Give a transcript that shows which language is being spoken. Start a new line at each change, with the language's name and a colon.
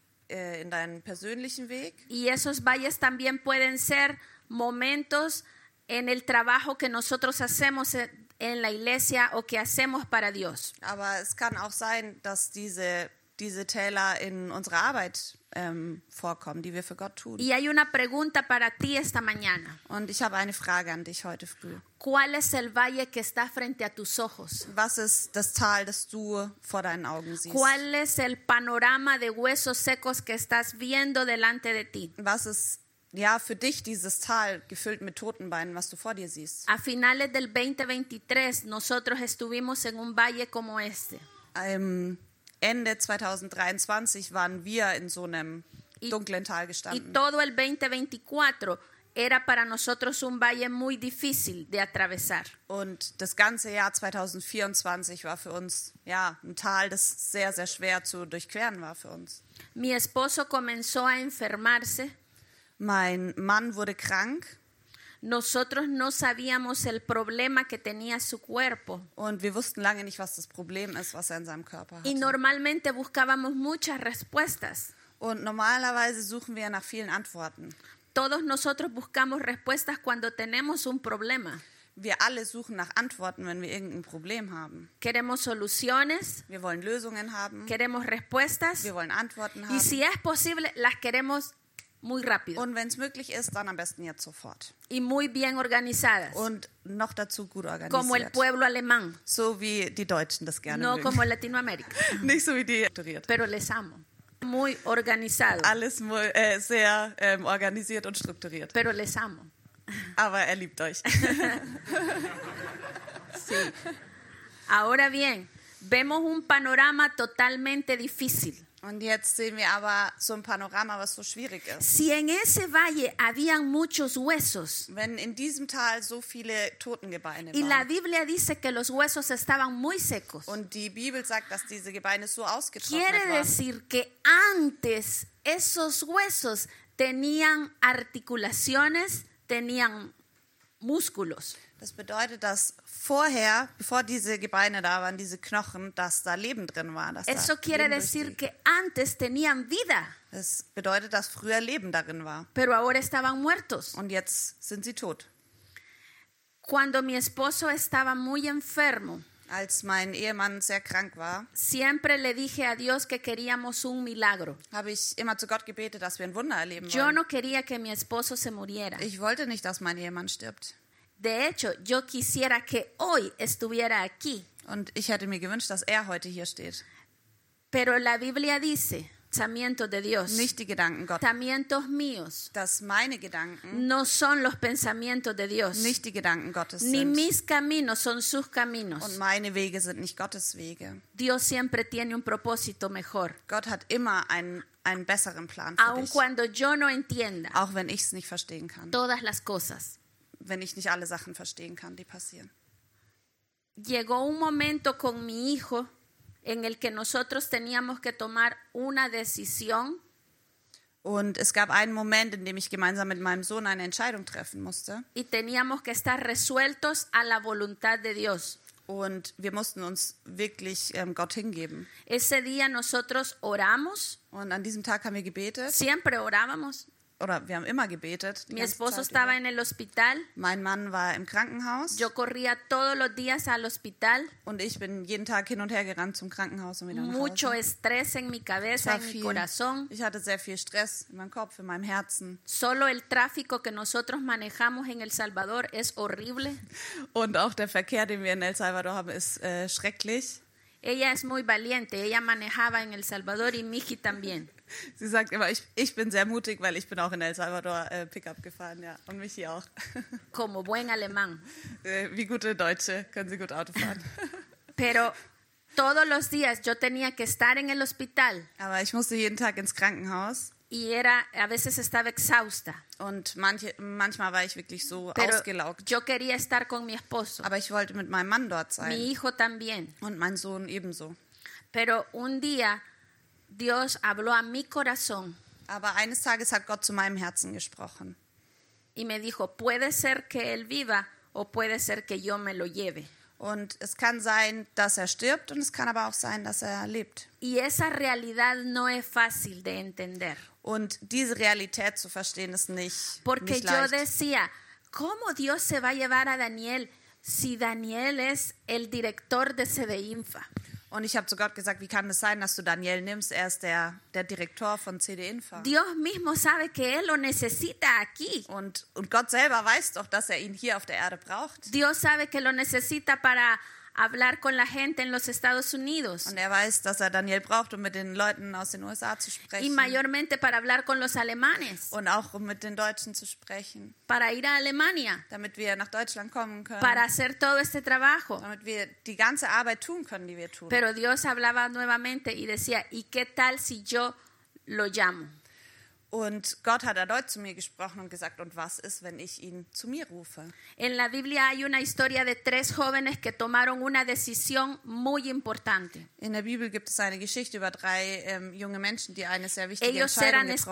German: In deinen persönlichen Weg.
Spanish: Y esos valles también pueden ser momentos en el trabajo que nosotros hacemos en la iglesia o que hacemos para Dios.
German: Aber es kann auch sein, dass diese Täler in unserer Arbeit vorkommen, die wir für Gott tun.
Spanish: Y hay una pregunta para ti esta mañana.
German: Und ich habe eine Frage an dich heute früh.
Spanish: ¿Cuál es el valle que está frente a tus ojos?
German: Was ist das Tal, das du vor deinen Augen siehst?
Spanish: ¿Cuál es el panorama de huesos secos que estás viendo delante de ti?
German: Was ist für dich dieses Tal gefüllt mit Totenbeinen, was du vor dir siehst?
Spanish: A finales del 2023 nosotros estuvimos en un valle como este.
German: Ende 2023 waren wir in so einem dunklen Tal gestanden.
Spanish: Y todo el 2024 era para nosotros un valle muy difícil de atravesar.
German: Und das ganze Jahr 2024 war für uns ein Tal, das sehr, sehr schwer zu durchqueren war für uns.
Spanish: Mi esposo comenzó a enfermarse.
German: Mein Mann wurde krank.
Spanish: Nosotros no sabíamos el problema que tenía su cuerpo.
German: Und wir wussten lange nicht, was das Problem ist, was in seinem Körper hatte.
Spanish: Y normalmente buscábamos muchas respuestas.
German: Und normalerweise suchen wir nach vielen Antworten.
Spanish: Todos nosotros buscamos respuestas cuando tenemos un problema.
German: Wir alle suchen nach Antworten, wenn wir irgendein Problem haben.
Spanish: Queremos soluciones.
German: Wir wollen Lösungen haben.
Spanish: Queremos respuestas.
German: Wir wollen Antworten haben.
Spanish: Y si es posible, las queremos muy rápido.
German: Und wenn es möglich ist, dann am besten jetzt sofort.
Spanish: Y muy bien organizadas.
German: Und noch dazu gut organisiert.
Spanish: Como el pueblo alemán.
German: So wie die Deutschen das gerne
Spanish: no
German: mögen.
Spanish: Como Latinoamérica.
German: Nicht so wie die strukturiert.
Spanish: Pero les amo. Muy organizado.
German: Alles sehr organisiert und strukturiert.
Spanish: Pero les amo.
German: Aber er liebt euch.
Spanish: Sí. Ahora bien, vemos un panorama totalmente difícil.
German: Und jetzt sehen wir aber so ein Panorama, was so schwierig ist.
Spanish: Si en ese valle habían muchos huesos.
German: Wenn in diesem Tal so viele Totengebeine waren.
Spanish: Y la Biblia dice que los huesos estaban muy secos.
German: Und die Bibel sagt, dass diese Gebeine so ausgetrocknet
Spanish: quiere
German: waren.
Spanish: Quiere decir que antes esos huesos tenían articulaciones, tenían músculos.
German: Das bedeutet, dass vorher, bevor diese Gebeine da waren, diese Knochen, dass da Leben drin war. Dass
Spanish: eso
German: da
Spanish: quiere
German: Leben
Spanish: decir que antes tenían vida.
German: Das bedeutet, dass früher Leben darin war.
Spanish: Pero ahora estaban muertos.
German: Und jetzt sind sie tot.
Spanish: Cuando mi esposo estaba muy enfermo,
German: als mein Ehemann sehr krank war,
Spanish: siempre le dije a Dios que queríamos un milagro.
German: Habe ich immer zu Gott gebetet, dass wir ein Wunder erleben
Spanish: yo
German: wollen.
Spanish: Yo no quería que mi esposo se muriera.
German: Ich wollte nicht, dass mein Ehemann stirbt.
Spanish: De hecho, yo quisiera que hoy estuviera aquí.
German: Und ich hätte mir gewünscht, dass heute hier steht.
Spanish: Pero la Biblia dice, pensamientos de Dios.
German: Nicht die Gedanken Gottes.
Spanish: Pensamientos míos.
German: Dass meine Gedanken.
Spanish: No son los pensamientos de Dios.
German: Nicht die Gedanken Gottes
Spanish: ni
German: sind.
Spanish: Ni mis caminos son sus caminos.
German: Und meine Wege sind nicht Gottes Wege.
Spanish: Dios siempre tiene un propósito mejor.
German: Gott hat immer einen besseren Plan für
Spanish: aun
German: dich.
Spanish: Cuando yo no entienda.
German: Auch wenn ich es nicht verstehen kann.
Spanish: Todas las cosas.
German: Wenn ich nicht alle Sachen verstehen kann, die passieren.
Spanish: Llegó un momento con mi hijo en el que nosotros teníamos que tomar una decisión.
German: Und es gab einen Moment, in dem ich gemeinsam mit meinem Sohn eine Entscheidung treffen musste.
Spanish: Y teníamos que estar resueltos a la voluntad de Dios.
German: Und wir mussten uns wirklich Gott hingeben.
Spanish: Ese día nosotros oramos.
German: Und an diesem Tag haben wir gebetet.
Spanish: Siempre orábamos.
German: oder wir haben immer gebetet.
Spanish: Mi esposo estaba en el hospital.
German: Mein Mann war im Krankenhaus.
Spanish: Yo corría todos los días al hospital.
German: Und ich bin jeden Tag hin und her gerannt zum Krankenhaus und wieder nach Hause.
Spanish: Mucho estrés en mi cabeza, en mi corazón.
German: Ich hatte sehr viel Stress in meinem Kopf, in meinem Herzen.
Spanish: Solo el tráfico que nosotros manejamos en El Salvador es horrible.
German: Und auch der Verkehr, den wir in El Salvador haben, ist schrecklich.
Spanish: Ella es muy valiente. Ella manejaba en El Salvador y Miki también.
German: Sie sagt immer, ich bin sehr mutig, weil ich bin auch in El Salvador Pickup gefahren, ja, und Michi auch.
Spanish: Como buen alemán.
German: Wie gute Deutsche, können Sie gut Auto fahren.
Spanish: Pero todos los días yo tenía que estar en el hospital.
German: Aber ich musste jeden Tag ins Krankenhaus.
Spanish: Y era, a veces estaba exhausta.
German: Und manchmal war ich wirklich so ausgelaugt.
Spanish: Yo quería estar con mi esposo.
German: Aber ich wollte mit meinem Mann dort sein.
Spanish: Mi hijo también.
German: Und mein Sohn ebenso.
Spanish: Pero un día Dios habló a mi corazón.
German: Aber eines Tages hat Gott zu meinem Herzen gesprochen.
Spanish: Y me dijo, puede ser que él viva o puede ser que yo me lo lleve.
German: Und es kann sein, dass er stirbt und es kann aber auch sein, dass er lebt.
Spanish: Y esa realidad no es fácil de entender.
German: Und diese Realität zu verstehen ist nicht leicht.
Spanish: Porque
German: nicht
Spanish: yo decía, ¿cómo Dios se va a llevar a Daniel si Daniel es el director de CDINFA?
German: Und ich habe zu Gott gesagt, wie kann es sein, dass du Daniel nimmst? Er ist der Direktor von CDINFA.
Spanish: Dios mismo sabe que él lo necesita aquí.
German: Und Gott selber weiß doch, dass er ihn hier auf der Erde braucht.
Spanish: Dios sabe que lo necesita para hablar con la gente en los Estados Unidos.
German: Und er weiß, dass er Daniel braucht, um mit den Leuten aus den USA zu sprechen.
Spanish: Y mayormente para hablar con los alemanes.
German: Und auch um mit den Deutschen zu sprechen.
Spanish: Para ir a Alemania.
German: Damit wir nach Deutschland kommen können.
Spanish: Para hacer todo este trabajo.
German: Damit wir die ganze Arbeit tun können, die wir tun.
Spanish: Pero Dios hablaba nuevamente y decía, ¿y qué tal si yo lo llamo?
German: Und Gott hat erneut zu mir gesprochen und gesagt, und was ist, wenn ich ihn zu mir rufe?
Spanish: En la Biblia hay una historia de tres jóvenes que tomaron una decisión muy importante.
German: In der Bibel gibt es eine Geschichte über drei junge Menschen, die eine sehr wichtige
Spanish: Ellos
German: Entscheidung getroffen haben.